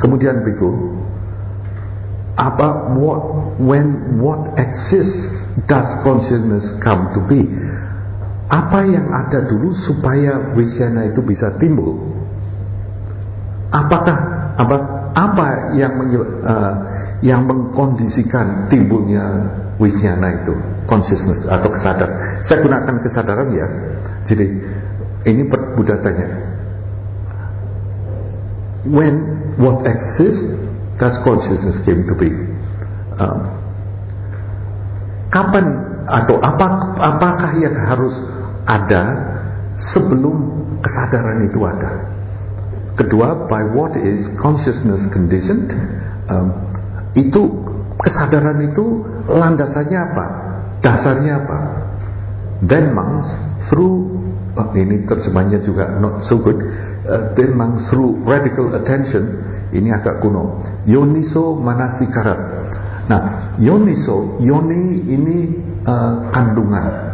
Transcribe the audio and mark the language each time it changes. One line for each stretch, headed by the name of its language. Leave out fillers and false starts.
Indonesian: Kemudian
English: Bhikkhu,
Indonesian: apa,
English: what, when, what exists does consciousness come to be?
Indonesian: Apa yang ada dulu supaya vijnana itu bisa timbul? Apakah apa yang yang mengkondisikan timbulnya vijnana itu, consciousness atau kesadaran? Saya gunakan kesadaran ya. Jadi ini Buddha tanya,
English: when, what exists, does consciousness came to be?
Indonesian: Kapan atau apakah yang harus ada sebelum kesadaran itu ada?
English: Kedua, by what is consciousness conditioned?
Indonesian: Itu kesadaran itu landasannya apa? Dasarnya apa?
English: Then monks through,
Indonesian: ini terjemahnya juga
English: not so good. Then monks through radical attention,
Indonesian: ini agak kuno, yoniso manasikara. Nah, yoniso, yoni ini kandungan.